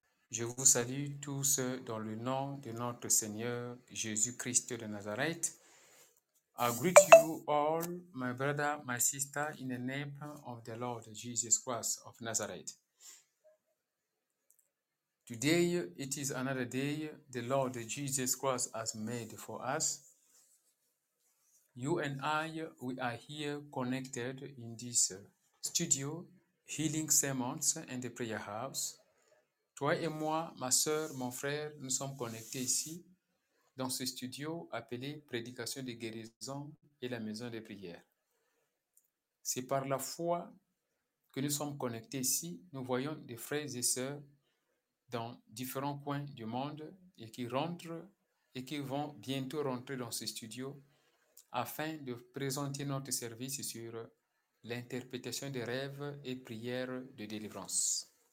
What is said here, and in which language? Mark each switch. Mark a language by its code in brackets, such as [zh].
[fr] Je vous salue tous dans le nom de notre Seigneur Jésus-Christ de Nazareth. [en] I greet you all, my brother, my sister, in the name of the Lord Jesus Christ of Nazareth. Today, it is another day the Lord Jesus Christ has made for us. You and I, we are here connected in this studio, Healing Sermons and the Prayer House. [fr] Toi et moi, ma sœur, mon frère, nous sommes connectés ici, dans ce studio appelé Prédication de guérison et la maison de prière. C'est par la foi que nous sommes connectés ici, nous voyons des frères et sœurs dans différents coins du monde et qui rentrent et qui vont bientôt rentrer dans ce studio afin de présenter notre service sur l'interprétation des rêves et prières de délivrance.